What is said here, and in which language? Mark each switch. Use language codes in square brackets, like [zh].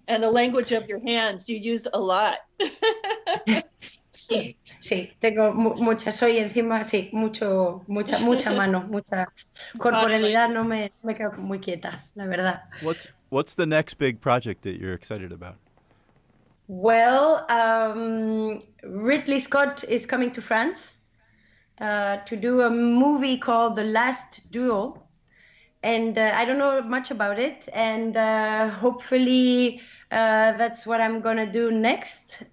[en] And the language of your hands, you use a lot. [es] Sí, tengo muchas hoy encima, sí, mucha mano, mucha corporalidad, no me quedo muy quieta, la verdad. [en] What's the next big project that you're excited about? Well, Ridley Scott is coming to France to do a movie called The Last Duel, and I don't know much about it, and hopefully that's what I'm gonna do next.